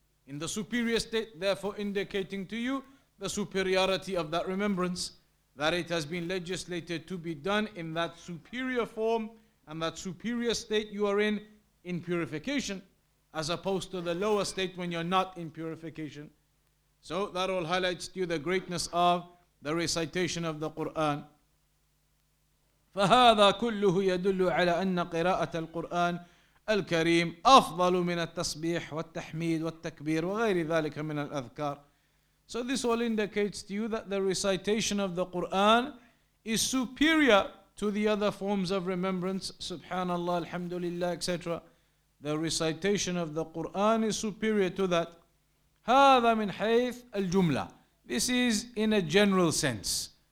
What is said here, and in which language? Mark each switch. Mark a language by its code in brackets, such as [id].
[en] In the superior state, therefore indicating to you the superiority of that remembrance, that it has been legislated to be done in that superior form and that superior state you are in purification, as opposed to the lower state when you're not in purification. So that all highlights to you the greatness of the recitation of the Quran. [ar] فهذا كله يدل على أن قراءة القرآن الكريم أفضل من التسبيح والتحميد والتكبير وغير ذلك من الأذكار. [en] So this all indicates to you that the recitation of the Quran is superior to the other forms of remembrance. Subhanallah, alhamdulillah, etc. The recitation of the Quran is superior to that. [ar] هذا من حيث الجملة. [en] This is in a general sense.